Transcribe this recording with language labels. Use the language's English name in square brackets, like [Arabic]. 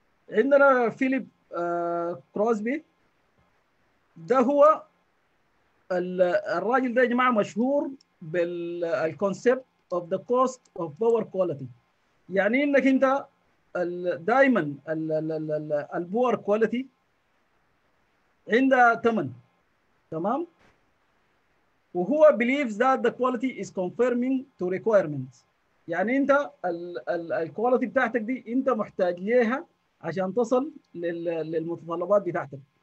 [Arabic] عندنا فيليب كروزبي ده هو الراجل ده يا جماعه مشهور [English] بالكونسبت of the cost of power quality. [Arabic] يعني انك انت دائما الباور كواليتي عندها ثمن تمام. وهو [English] believes that the quality is confirming to requirements. [Arabic] يعني انت الكواليتي بتاعتك دي انت محتاج ليها عشان تصل للمتطلبات بتاعتك.